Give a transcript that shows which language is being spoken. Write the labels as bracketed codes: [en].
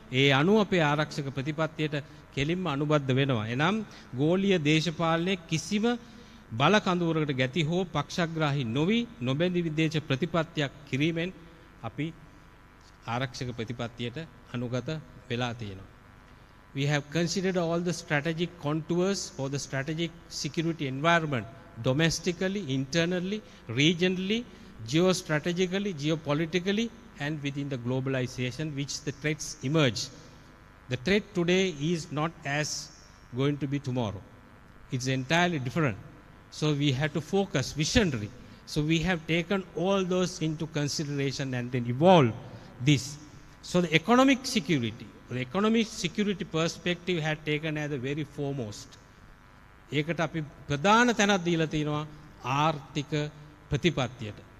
[si] ඒ අනුව අපේ ආරක්ෂක ප්‍රතිපත්තියට කෙලින්ම අනුබද්ධ වෙනවා. එනම් ගෝලීය දේශපාලනයේ කිසිම බල කඳවුරකට ගැති හෝ පක්ෂග්‍රාහී නොවි නොබැඳි විදේශ ප්‍රතිපත්තියක් කිරීමෙන් අපි ආරක්ෂක ප්‍රතිපත්තියට අනුගත වෙලා තියෙනවා. [en] We have considered all the strategic contours for the strategic security environment domestically, internally, regionally, geostrategically, geopolitically, and within the globalization, which the threats emerge. The threat today is not as going to be tomorrow. It's entirely different. So we have to focus visionary. So we have taken all those into consideration and then evolve this. So the economic security, the economic security perspective had taken as the very foremost. [si] ඒකට අපි ප්‍රධාන තැනක් දීලා තිනවා ආර්ථික ප්‍රතිපත්තියට.